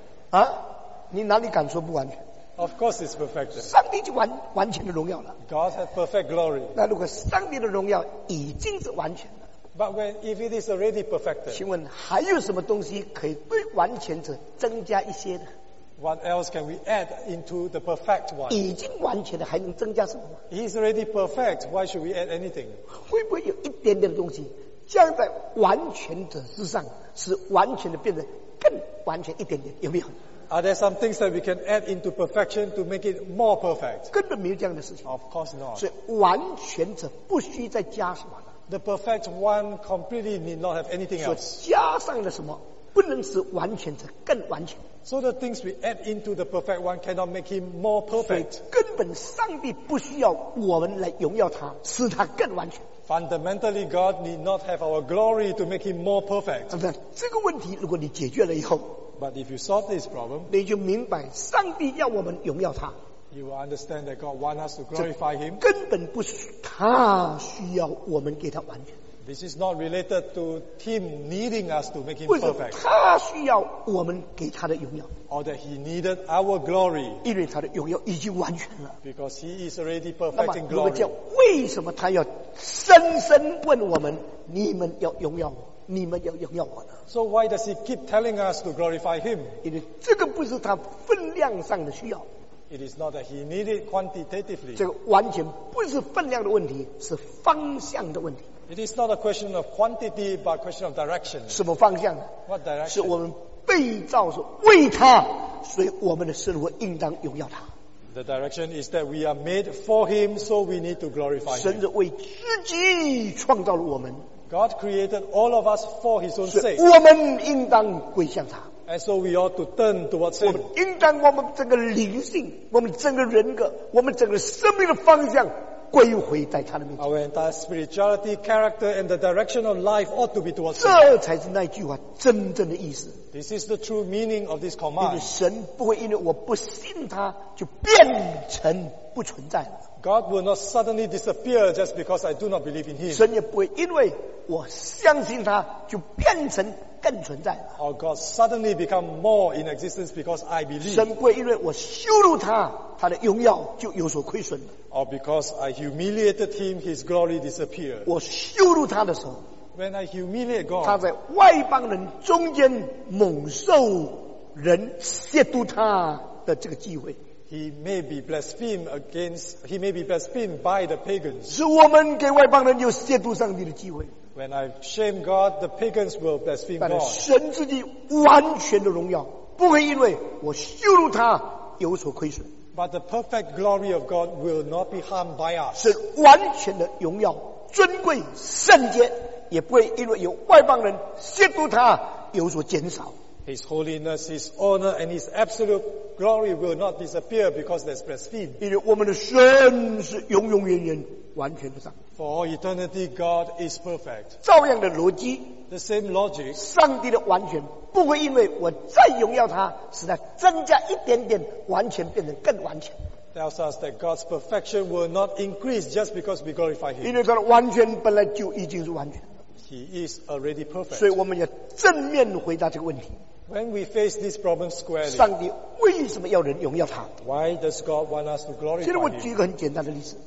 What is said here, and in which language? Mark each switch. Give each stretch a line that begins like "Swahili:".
Chinese: 啊，你哪里敢说不完全
English: ？Of course, it's perfected.
Chinese: 上帝就完全的荣耀了。
English: God has perfect glory.
Chinese: 那如果上帝的荣耀已经是完全的
English: ，But when if it is already perfected,
Chinese: 请问还有什么东西可以对完全者增加一些的？
English: What else can we add into the perfect one?
Chinese: 已经完全的还能增加什么？
English: He's already perfect. Why should we add anything?
Chinese: 会不会有一点点的东西将在完全者之上使完全的变得更完全一点点有没有
English: Are there some things that we can add into perfection to make it more perfect?
Chinese: 根本没有这样的事情
English: Of course not.
Chinese: 所以完全者不需再加什么了
English: The perfect one completely need not have anything else.
Chinese: 所加上了什么不能使完全者更完全
English: So the things we add into the perfect one cannot make him more perfect.
Chinese: 所以根本上帝不需要我们来荣耀他，使他更完全。
English: Fundamentally, God need not have our glory to make him more perfect.
Chinese: 那这个问题如果你解决了以后
English: ，But if you solve this problem,
Chinese: 你就明白上帝要我们荣耀他。
English: You will understand that God want us to glorify him.
Chinese: 根本不是他需要我们给他完全。
English: This is not related to him needing us to make him perfect.
Chinese: 为什么他需要我们给他的荣耀
English: ？Or that he needed our glory.
Chinese: 因为他的荣耀已经完全了。
English: Because he is already perfect in glory.
Chinese: 那么，如果这样，为什么他要深深问我们：你们要荣耀我，你们要荣耀我呢
English: ？So why does he keep telling us to glorify him?
Chinese: 因为这个不是他分量上的需要。
English: It is not that he needed quantitatively.
Chinese: 这个完全不是分量的问题，是方向的问题。
English: It is not a question of quantity, but a question of direction.
Chinese: 什么方向
English: ？What direction?
Chinese: 是我们被造是为他，所以我们的生活应当荣耀他。
English: The direction is that we are made for him, so we need to glorify him.
Chinese: 神是为自己创造了我们。
English: God created all of us for his own sake.
Chinese: 我们应当归向他。
English: And so we ought to turn towards him.
Chinese: 我们应当我们整个灵性，我们整个人格，我们整个生命的方向。归回在他的面前。
English: Our entire spirituality, character, and the direction of life ought to be towards him.
Chinese: 这才是那句话真正的意思。
English: This is the true meaning of this command.
Chinese: 因为神不会因为我不信他就变成不存在。
English: God will not suddenly disappear just because I do not believe in Him.
Chinese: 神也不会因为我相信他就变成更存在了。
English: Or God suddenly become more in existence because I believe.
Chinese: 神不会因为我羞辱他，他的荣耀就有所亏损。
English: Or because I humiliated Him, His glory disappeared.
Chinese: 我羞辱他的时候。
English: When I humiliate God,
Chinese: 他在外邦人中间蒙受人亵渎他的这个机会。
English: He may be blasphemed by the pagans.
Chinese: 是我们给外邦人有亵渎上帝的机会。
English: When I shame God, the pagans will blaspheme God.
Chinese: 但神自己完全的荣耀，不会因为我羞辱他有所亏损。
English: But the perfect glory of God will not be harmed by us.
Chinese: 是完全的荣耀、尊贵、圣洁。也不会因为有外邦人亵渎他有所减少。
English: His holiness, his honor, and his absolute glory will not disappear because there's blaspheme.
Chinese: 因为我们的神是永永远远完全的上帝。
English: For all eternity, God is perfect.
Chinese: 照样的逻辑。
English: The same logic.
Chinese: 上帝的完全不会因为我再荣耀他，使他增加一点点，完全变成更完全。
English: Tells us that God's perfection will not increase just because we glorify Him.
Chinese: 因为他的完全本来就已经是完全。
English: He is already perfect.
Chinese: 所以我们要正面回答这个问题。
English: When we face this problem squarely,
Chinese: 上帝为什么要人荣耀他？
English: Why does God want us to glorify Him?
Chinese: 其实我举一个很简单的例子。